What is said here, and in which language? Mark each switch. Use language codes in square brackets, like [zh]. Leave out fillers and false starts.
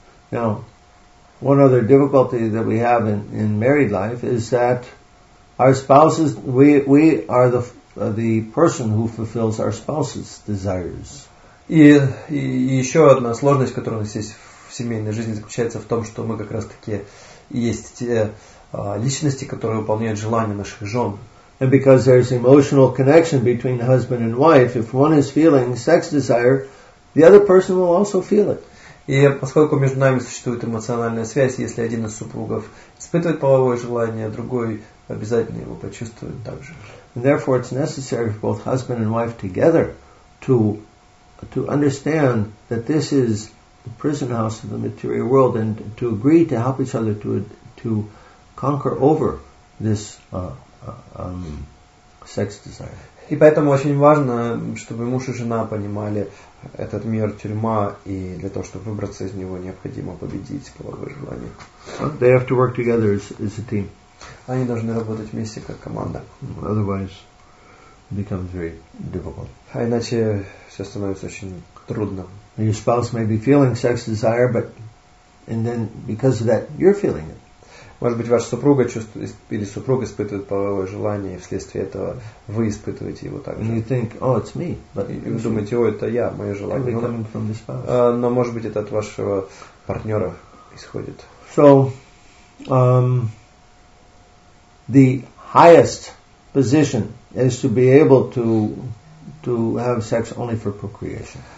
[en] Now, one other difficulty that we have in married life is that our spouses, we are the person who fulfills our spouse's desires. [ru] И еще одна сложность, которая у нас есть в семейной жизни, заключается в том, что мы как раз-таки есть те личности, которые выполняют желания наших жен. [en] And because there is emotional connection between husband and wife, if one is feeling sex desire, the other person will also feel it. [ru] И поскольку между нами существует эмоциональная связь, если один из супругов испытывает половое желание, другой обязательно его почувствует также. [en] And therefore, it's necessary for both husband and wife together to understand that this is the prison house of the material world and to agree to help each other to conquer over this sex desire. [ru] И поэтому очень важно, чтобы муж и жена понимали этот мир тюрьма, и для того, чтобы выбраться из него, необходимо победить половое желание. [en] They have to work together as a team. [ru] Они должны работать вместе как команда. [en] Otherwise, it becomes very difficult. [ru] А иначе все становится очень трудно. [en] Your spouse may be feeling sex desire, but and then because of that, you're feeling it. [ru] Может быть, ваш супруга чувствует или супруга испытывает половое желание, и вследствие этого вы испытываете его также. [en] And you think, oh, it's me. [ru] И вы думаете, о, это я, мое желание. Но может быть, это от вашего партнера исходит. [en] So, the highest position is to be able to have sex only for procreation.